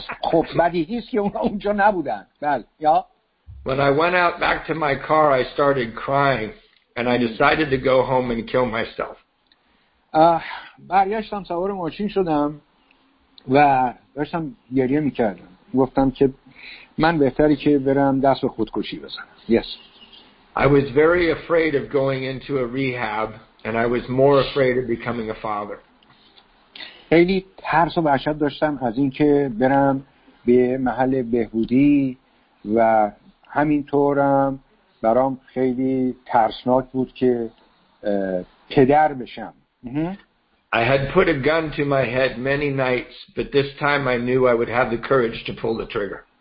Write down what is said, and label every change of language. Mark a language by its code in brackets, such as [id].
[fa] خب بدیهی است که اونا اونجا نبودن. بله. یا [en] When I went out back to my car, I started crying, and I decided to go home and kill myself. [fa] برگشتم سوار ماشین شدم و داشتم گریه می‌کردم. گفتم که من بهتره که برم دست به خودکشی بزنم. [en] Yes. I was very afraid of going into a rehab, and I was more afraid of becoming a father. [fa] خیلی ترس و وحشت داشتم از اینکه برم به محل بهبودی و همینطورم برام خیلی ترسناک بود که پدر بشم. [en] I had put a gun to my head many nights, but this time I knew I would have the courage to pull the trigger.